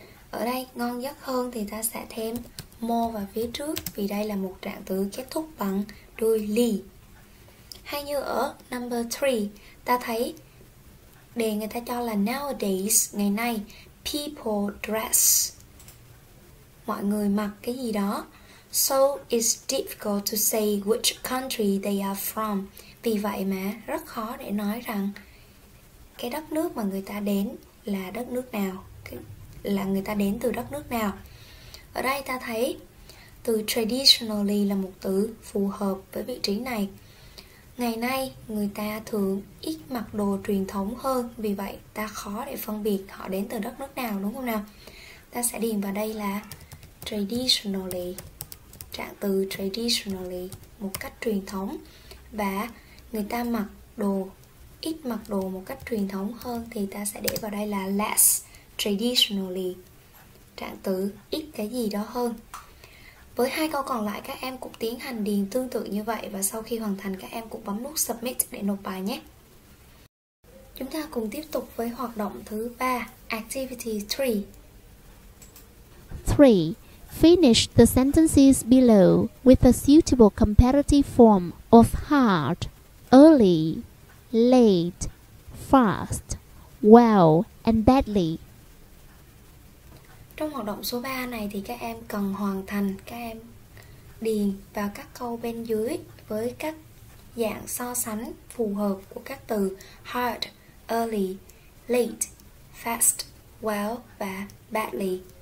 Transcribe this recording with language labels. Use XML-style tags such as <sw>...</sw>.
<vi>Ở đây ngon giấc hơn thì ta sẽ thêm more vào phía trước vì đây là một trạng từ kết thúc bằng đuôi ly. Hay như ở number 3, ta thấy đề người ta cho là nowadays, ngày nay,</vi> <en>people dress,</en> <vi>mọi người mặc cái gì đó.</vi> <en>So it's difficult to say which country they are from.</en> <vi>Vì vậy mà rất khó để nói rằng cái đất nước mà người ta đến là đất nước nào, là người ta đến từ đất nước nào. Ở đây ta thấy từ traditionally là một từ phù hợp với vị trí này. Ngày nay người ta thường ít mặc đồ truyền thống hơn, vì vậy ta khó để phân biệt họ đến từ đất nước nào, đúng không nào? Ta sẽ điền vào đây là traditionally, trạng từ traditionally, một cách truyền thống. Và người ta mặc đồ, ít mặc đồ một cách truyền thống hơn thì ta sẽ để vào đây là</vi> <en>less traditionally,</en> <vi>trạng từ ít cái gì đó hơn. Với hai câu còn lại các em cũng tiến hành điền tương tự như vậy, và sau khi hoàn thành các em cũng bấm nút submit để nộp bài nhé. Chúng ta cùng tiếp tục với hoạt động thứ 3,</vi> <en>activity 3.</en> <vi>3.</vi> <en>Finish the sentences below with a suitable comparative form of hard, early, late, fast, well and badly.</en> <vi>Trong hoạt động số 3 này thì các em cần hoàn thành, các em điền vào các câu bên dưới với các dạng so sánh phù hợp của các từ hard, early, late, fast, well và badly.</vi>